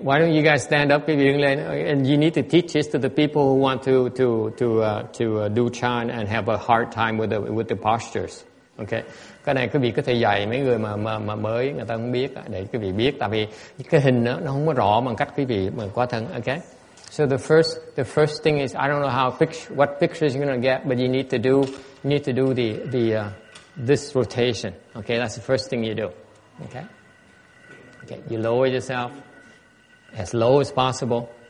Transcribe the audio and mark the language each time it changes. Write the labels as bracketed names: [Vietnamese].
[English] Why don't you guys stand up if you're in line? And you need to teach this to the people who want to do chan and have a hard time with the postures. [Vietnamese] OK, cái này quý vị có thể dạy mấy người mà mới người ta không biết để quý vị biết, tại vì cái hình nó không có rõ bằng cách quý vị mà quá thân. [English] OK, so the first thing is I don't know what pictures you're gonna get, but you need to do this rotation. OK, that's the first thing you do. OK, you lower yourself as low as possible.